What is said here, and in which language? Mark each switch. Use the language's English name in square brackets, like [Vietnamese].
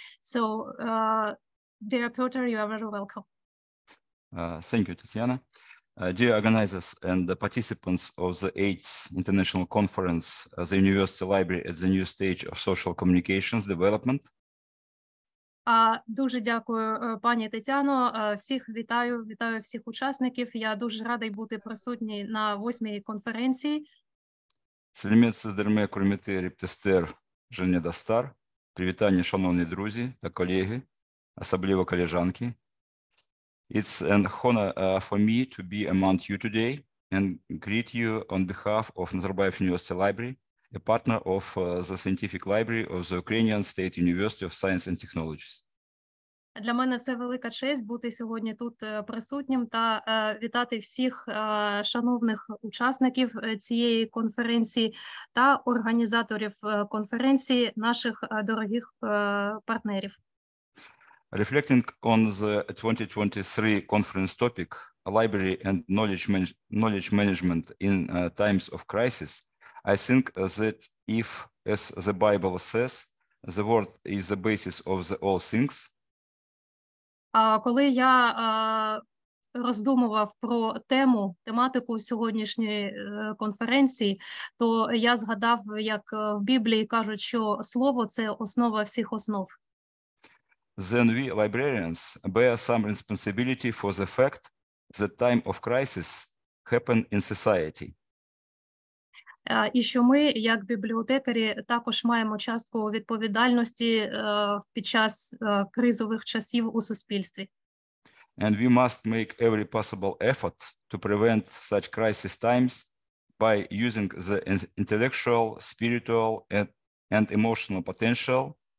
[English] So, dear Peter, you are very welcome. Thank you, Tatiana. Dear organizers and the participants of the 8th International Conference, the University Library at the New Stage of Social Communications Development, [Ukrainian] Дуже дякую, пані Тетяно. Всіх вітаю, вітаю всіх учасників. Я дуже радий бути присутній на 8-й конференції. [Kazakh] Сельмет Сездерме Курміте Рептестер Жені Дастар. [Ukrainian] Привітання, шановні друзі та колеги, особливо колежанки. [English] It's an honor for me to be among you today and greet you on behalf of Nazarbayev University Library, a partner of the Scientific Library of the Ukrainian State University of Science and Technologies. [Ukrainian] Для мене це велика честь бути сьогодні тут присутнім та вітати всіх шановних учасників цієї конференції та організаторів конференції, наших дорогих партнерів. [English] Reflecting on the 2023 conference topic, library and knowledge management in times of crisis, I think that if, as the Bible says, the word is the basis of the all things. [Ukrainian] Коли я роздумував про тему, тематику сьогоднішньої конференції, то я згадав, як в Біблії кажуть, що слово – це основа всіх основ. [English] Then we, librarians, bear some responsibility for the fact that time of crisis happened in society. [Ukrainian] І що ми, як бібліотекарі, також маємо частку відповідальності під час кризових часів у суспільстві. [English] And we must make every possible effort to prevent such crisis times by using the intellectual, spiritual and emotional potential.